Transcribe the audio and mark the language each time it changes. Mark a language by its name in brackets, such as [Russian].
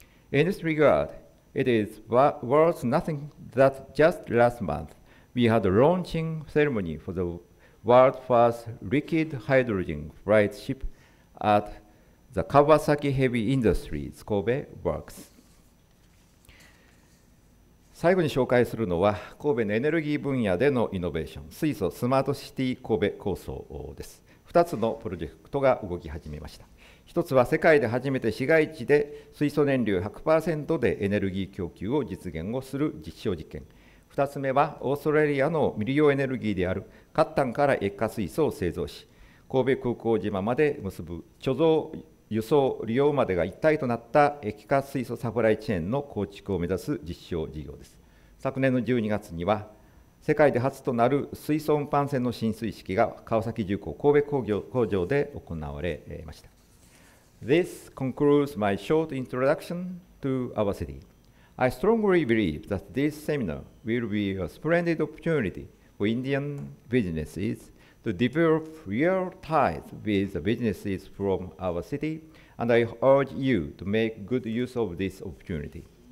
[English] In this regard, it is worth nothing that just last month we had a launching ceremony for the world's first liquid hydrogen freight ship at the Kawasaki Heavy Industries Kobe Works. [Japanese] 最後に紹介するのは、神戸のエネルギー分野でのイノベーション、水素スマートシティ神戸構想です。 2つのプロジェクトが動き始めました。一つは世界で初めて市街地で水素燃料 100% でエネルギー供給を実現をする実証実験。二つ目はオーストラリアの未利用エネルギーである褐炭から液化水素を製造し、神戸空港島まで結ぶ貯蔵、輸送、利用までが一体となった液化水素サプライチェーンの構築を目指す実証事業です。昨年の12月には、世界で初となる水素運搬船の進水式が川崎重工神戸工場で行われました。 [English] This concludes my short introduction to our city. I strongly believe that this seminar will be a splendid opportunity for Indian businesses to develop real ties with the businesses from our city, and I urge you to make good use of this opportunity.